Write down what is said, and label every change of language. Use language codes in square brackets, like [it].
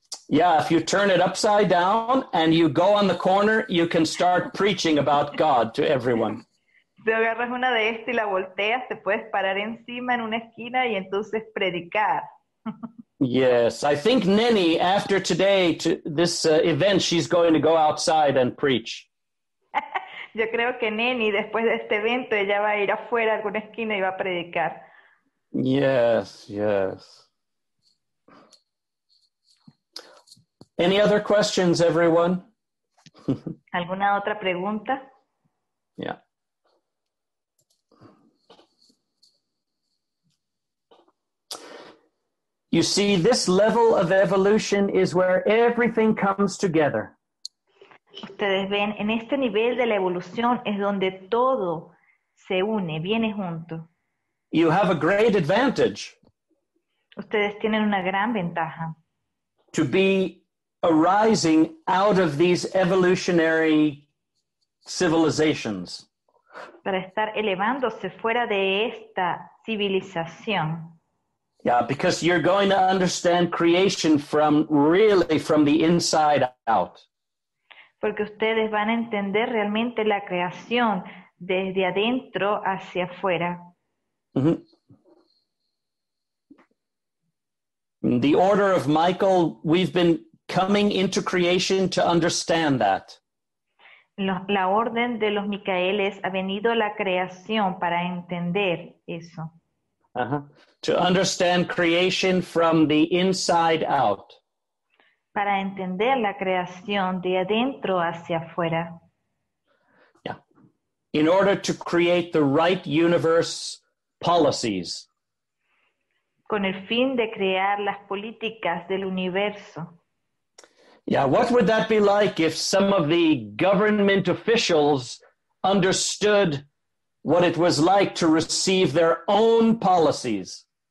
[en] Yeah, if you turn it upside down and you go on the corner, you can start preaching about God to everyone. [es] Si agarras una de estas y la volteas, te puedes parar encima en una esquina y entonces predicar. [en] Yes, I think Neni, after today, to this event, she's going to go outside and preach. [es] Yo creo que Neni, después de este evento, ella va a ir afuera a alguna esquina y va a predicar. [en] Yes. Any other questions, everyone? [es] ¿Alguna otra pregunta? [en] Yeah. You see, this level of evolution is where everything comes together. [es] Ustedes ven, en este nivel de la evolución es donde todo se une, viene junto. [en] You have a great advantage. [es] Ustedes tienen una gran ventaja. [en] To be arising out of these evolutionary civilizations. [es] Para estar elevándose fuera de esta civilización. [en] Yeah, because you're going to understand creation from really from the inside out. [es] Porque ustedes van a entender realmente la creación desde adentro hacia afuera. Mm-hmm. [en] The order of Michael, we've been coming into creation to understand that. [es] La orden de los Micaeles ha venido a la creación para entender eso. [en] To understand creation from the inside out. [es] Para entender la creación de adentro hacia afuera. [en] Yeah. In order to create the right universe policies. [es] Con el fin de crear las políticas del universo. [en] Yeah, what would that be like if some of the government officials understood what it was like to receive their own policies?